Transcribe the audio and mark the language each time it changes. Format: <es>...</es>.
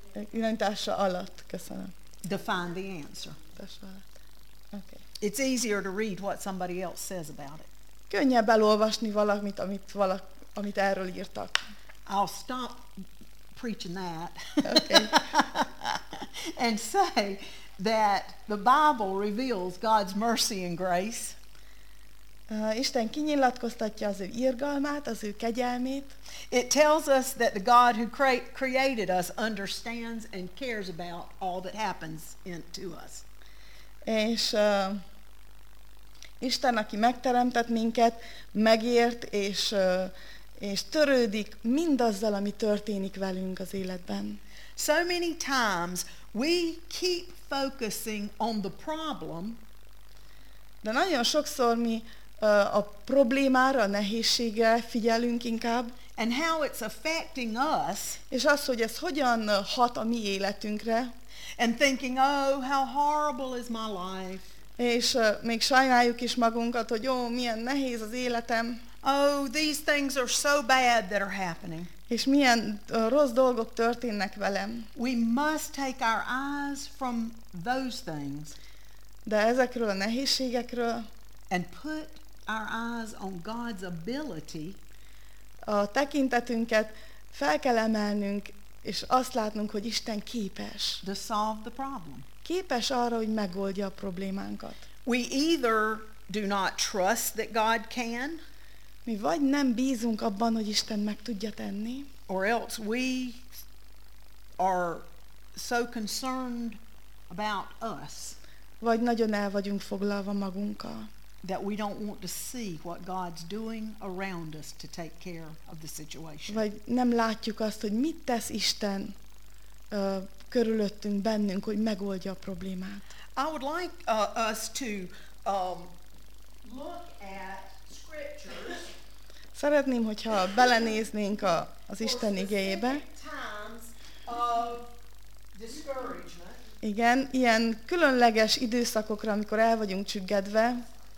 <hu>Irányítása alatt, köszönöm.</hu> <en>Define the answer. Okay. It's easier to read what somebody else says about it.</en> <hu>Könnyebb elolvasni valamit, amit erről írtak.</hu> <en>I'll stop preaching that. Okay. And say that the Bible reveals God's mercy and grace.</en> <hu>Isten kinyilatkoztatja az ő irgalmát, az ő kegyelmét.</hu> <en>It tells us that the God who created us understands and cares about all that happens to us.</en> <hu>És Isten, aki megteremtett minket, megért és törődik mindazzal, ami történik velünk az életben.</hu> <en>So many times we keep focusing on the problem.</en> <hu>De nagyon sokszor mi a problémára, a nehézségre figyelünk inkább.</hu> <en>And how it's affecting us.</en> <hu>És az, hogy ez hogyan hat a mi életünkre.</hu> <en>And thinking, oh, how horrible is my life.</en> <hu>És még sajnáljuk is magunkat, hogy ó, milyen nehéz az életem.</hu> <en>Oh, these things are so bad that are happening.</en> <hu>És milyen rossz dolgok történnek velem.</hu> <en>We must take our eyes from those things.</en> <hu>De ezekről a nehézségekről.</hu> <en>And put our eyes on God's ability.</en> <hu>A tekintetünket fel kell emelnünk, és azt látnunk, hogy Isten képes.</hu> <en>To solve the problem.</en> <hu>Képes arra, hogy megoldja a problémánkat.</hu> <en>We either do not trust that God can.</en> <hu>Mi vagy nem bízunk abban, hogy Isten meg tudja tenni.</hu> <en>Or else we are so concerned about us.</en> <hu>Vagy nagyon el vagyunk foglalva magunkkal.</hu> <en>That we don't want to see what God's doing around us to take care of the situation.</en> <hu>Vagy nem látjuk azt, hogy mit tesz Isten körülöttünk, bennünk, hogy megoldja a problémát.</hu> <en>I would like us to look at scriptures.</en> <hu>Szeretném, hogyha belenéznénk az Isten igéjébe. Igen, ilyen különleges időszakokra, amikor el vagyunk csüggedve.</hu>